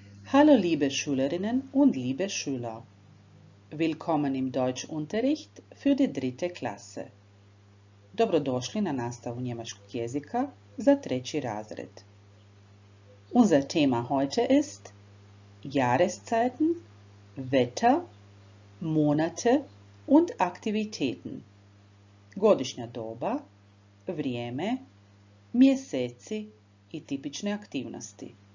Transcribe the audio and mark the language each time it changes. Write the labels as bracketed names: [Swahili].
[German] Hallo liebe Schülerinnen und liebe Schüler. Willkommen im Deutschunterricht für die dritte Klasse. [Croatian] Dobrodošli na nastavu njemačkog jezika za treći razred. [German] Unser Thema heute ist Jahreszeiten, Wetter, Monate und Aktivitäten. [Croatian] Godišnja doba, vrijeme, mjeseci i tipične aktivnosti.